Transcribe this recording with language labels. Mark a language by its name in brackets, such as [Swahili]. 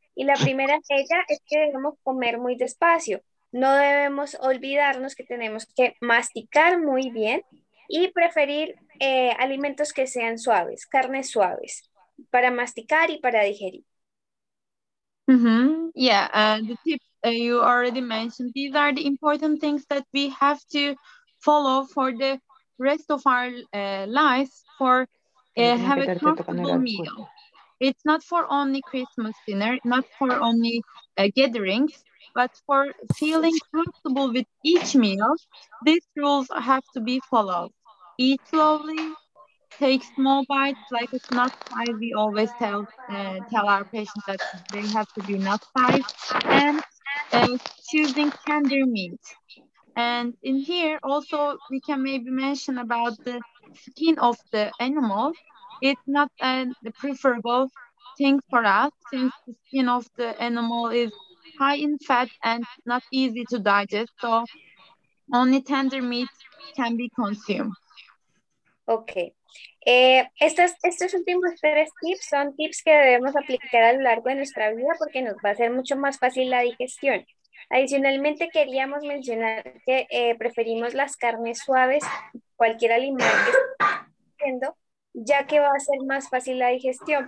[Spanish] Y la primera de ellas es que debemos comer muy despacio. No debemos olvidarnos que tenemos que masticar muy bien y preferir alimentos que sean suaves, carnes suaves, para masticar y para digerir. Mm-hmm. [English] Yeah, the tips you already mentioned, these are the important things that we have to follow for the rest of our lives for have a comfortable meal. It's not for only Christmas dinner, not for only gatherings, but for feeling comfortable with each meal, these rules have to be followed. Eat slowly, take small bites like a snack size. We always tell our patients that they have to be snack size, and choosing tender meat. And in here also we can maybe mention about the skin of the animal. It's not the preferable thing for us, since the skin of the animal is high in fat and not easy to digest, so only tender meat can be consumed. Okay. [Spanish] Estos últimos 3 tips son tips que debemos aplicar a lo largo de nuestra vida porque nos va a ser mucho más fácil la digestión. Adicionalmente, queríamos mencionar que preferimos las carnes suaves, cualquier alimento que estemos comiendo, ya que va a ser más fácil la digestión.